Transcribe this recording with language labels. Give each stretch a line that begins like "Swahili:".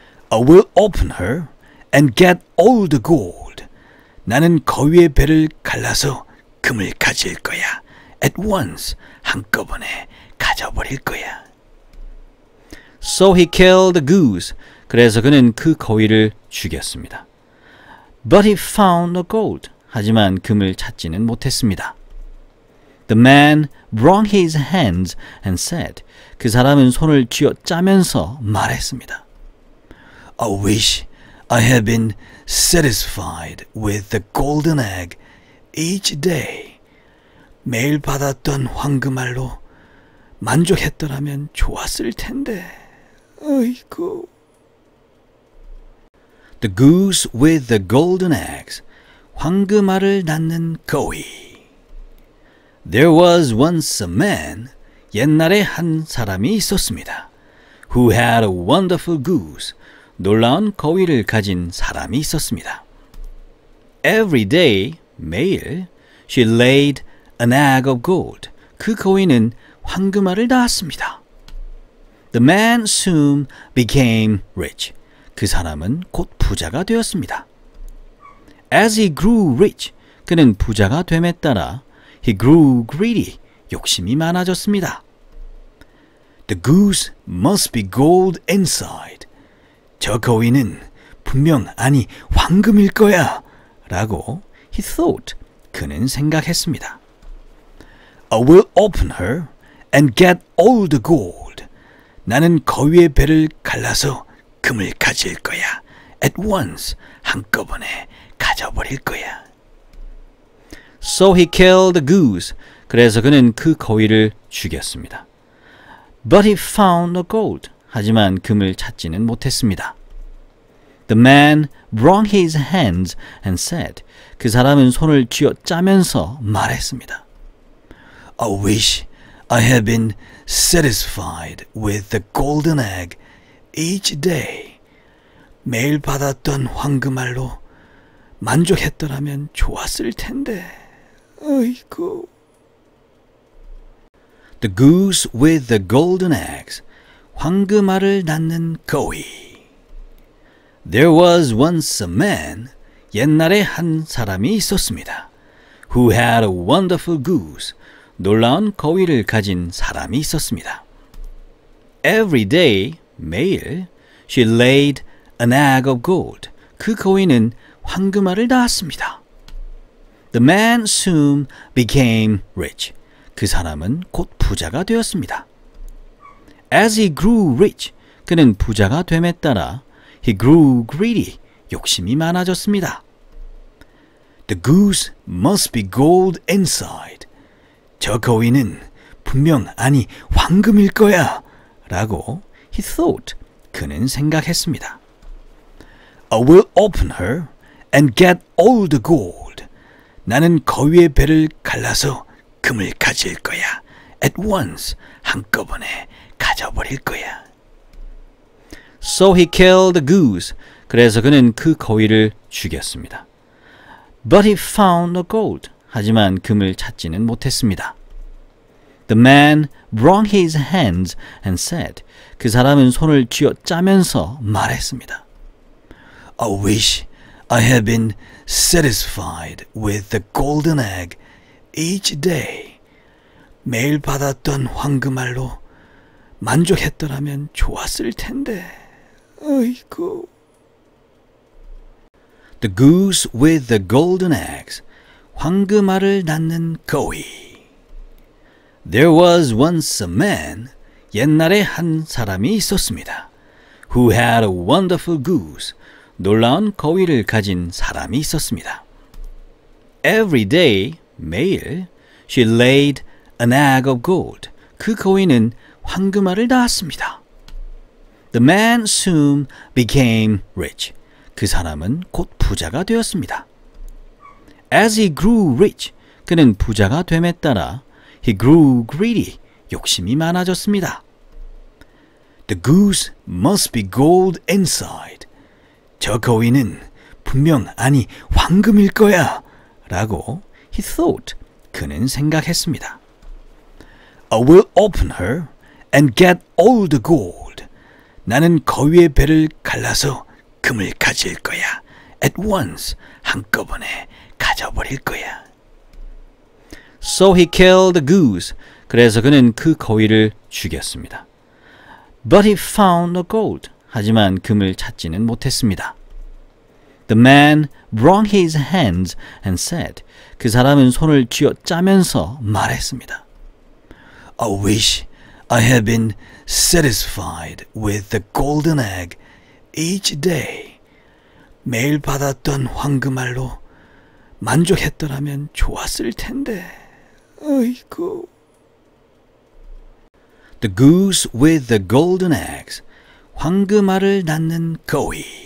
English: I will open her and get all the gold.
Korean: 나는 거위의 배를 갈라서 금을 가질 거야.
English: At once
Korean: 한꺼번에 가져버릴 거야.
English: So he killed the goose.
Korean: 그래서 그는 그 거위를 죽였습니다.
English: But he found the gold.
Korean: 하지만 금을 찾지는 못했습니다.
English: The man wrung his hands and said,
Korean: 그 사람은 손을 쥐어짜면서 말했습니다.
English: I wish I had been satisfied with the golden egg each day.
Korean: 매일 받았던 황금 알로 만족했더라면 좋았을 텐데. 아이고.
English: The goose with the golden eggs.
Korean: 황금 알을 낳는 거위.
English: There was once a man,
Korean: 옛날에 한 사람이 있었습니다.
English: Who had a wonderful goose,
Korean: 놀라운 거위를 가진 사람이 있었습니다.
English: Every day,
Korean: 매일,
English: she laid an egg of gold.
Korean: 그 거위는 황금 알을 낳았습니다.
English: The man soon became rich.
Korean: 그 사람은 곧 부자가 되었습니다.
English: As he grew rich,
Korean: 그는 부자가 됨에 따라
English: He grew greedy.
Korean: 욕심이 많아졌습니다.
English: The goose must be gold inside.
Korean: 저 거위는 분명 아니 황금일 거야. 라고
English: he thought.
Korean: 그는 생각했습니다.
English: I will open her and get all the gold.
Korean: 나는 거위의 배를 갈라서 금을 가질 거야.
English: At once.
Korean: 한꺼번에 가져버릴 거야.
English: So he killed the goose.
Korean: 그래서 그는 그 거위를 죽였습니다.
English: But he found the gold.
Korean: 하지만 금을 찾지는 못했습니다.
English: The man wrung his hands and said,
Korean: 그 사람은 손을 쥐어짜면서 말했습니다.
English: I wish I had been satisfied with the golden egg each day.
Korean: 매일 받았던 황금 알로 만족했더라면 좋았을 텐데. 아이고.
English: The goose with the golden eggs.
Korean: 황금 알을 낳는 거위.
English: There was once a man.
Korean: 옛날에 한 사람이 있었습니다.
English: Who had a wonderful goose.
Korean: 놀라운 거위를 가진 사람이 있었습니다.
English: Every day,
Korean: 매일,
English: she laid an egg of gold.
Korean: 그 거위는 황금 알을 낳았습니다.
English: The man soon became rich.
Korean: 그 사람은 곧 부자가 되었습니다.
English: As he grew rich,
Korean: 그는 부자가 됨에 따라
English: he grew greedy,
Korean: 욕심이 많아졌습니다.
English: The goose must be gold inside.
Korean: 저 거위는 분명 아니 황금일 거야 라고
English: he thought,
Korean: 그는 생각했습니다.
English: I will open her and get all the gold.
Korean: 나는 거위의 배를 갈라서 금을 가질 거야.
English: At once,
Korean: 한꺼번에 가져버릴 거야.
English: So he killed the goose.
Korean: 그래서 그는 그 거위를 죽였습니다.
English: But he found the gold.
Korean: 하지만 금을 찾지는 못했습니다.
English: The man wrung his hands and said,
Korean: 그 사람은 손을 쥐어짜면서 말했습니다.
English: I wish I had been satisfied with the golden egg each day.
Korean: 매일 받았던 황금 알로 만족했더라면 좋았을 텐데. 아이고.
English: The goose with the golden eggs.
Korean: 황금 알을 낳는 거위.
English: There was once a man.
Korean: 옛날에 한 사람이 있었습니다.
English: Who had a wonderful goose.
Korean: 놀라운 거위를 가진 사람이 있었습니다.
English: Every day,
Korean: 매일,
English: she laid an egg of gold.
Korean: 그 거위는 황금 알을 낳았습니다.
English: The man soon became rich.
Korean: 그 사람은 곧 부자가 되었습니다.
English: As he grew rich,
Korean: 그는 부자가 됨에 따라
English: he grew greedy,
Korean: 욕심이 많아졌습니다.
English: The goose must be gold inside.
Korean: 저 거위는 분명 아니 황금일 거야 라고
English: he thought
Korean: 그는 생각했습니다.
English: I will open her and get all the gold.
Korean: 나는 거위의 배를 갈라서 금을 가질 거야.
English: At once,
Korean: 한꺼번에 가져버릴 거야.
English: So he killed the goose.
Korean: 그래서 그는 그 거위를 죽였습니다.
English: But he found the gold.
Korean: 하지만 금을 찾지는 못했습니다.
English: The man wrung his hands and said,
Korean: 그 사람은 손을 쥐어짜면서 말했습니다.
English: I wish I had been satisfied with the golden egg each day.
Korean: 매일 받았던 황금 알로 만족했더라면 좋았을 텐데. 아이고.
English: The goose with the golden eggs.
Korean: 황금 알을 낳는 거위.